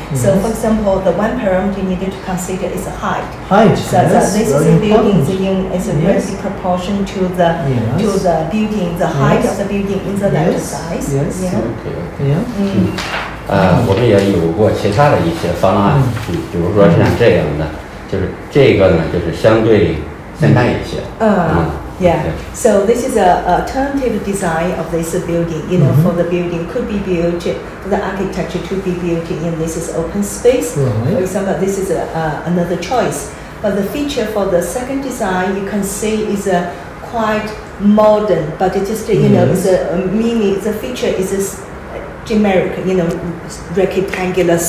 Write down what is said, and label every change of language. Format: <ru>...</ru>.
<en>So, for example, the one parameter you need to consider is height. So this building is in proportion to the to the building, the height of the building in the left size. Okay. Yeah.</en> <zh>我们也有过其他的一些方案，比如说像这样的，就是这个呢，就是相对现代一些。</zh> <en>Yeah, so this is an alternative design of this building, you know, for the building could be built, for the architecture to be built in this is open space. Right. For example, this is another choice. But the feature for the second design, you can see is quite modern, but it is, you know, it's meaning, the feature is this generic, you know, rectangular.</en>